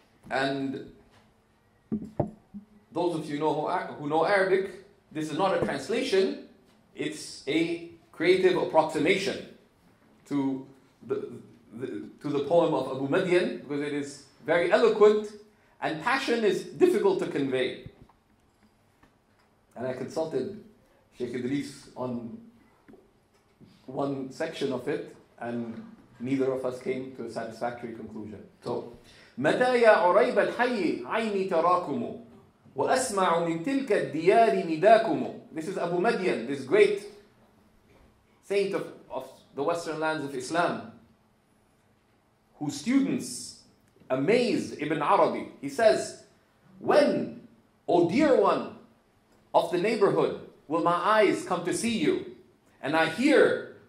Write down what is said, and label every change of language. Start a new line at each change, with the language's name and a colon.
English: And those of you who know Arabic, this is not a translation, it's a creative approximation to the poem of Abu Madian, because it is very eloquent and passion is difficult to convey. And I consulted Sheikh Idris on one section of it, and neither of us came to a satisfactory conclusion.
Arabic: So, متى يا عريب الحي عيني تراكم وأسمع من تلك الديار نداكم.
English: This is Abu Madian, this great saint of the Western lands of Islam, whose students amazed Ibn Arabi. He says, "When, O dear one of the neighborhood, will my eyes come to see you? And I hear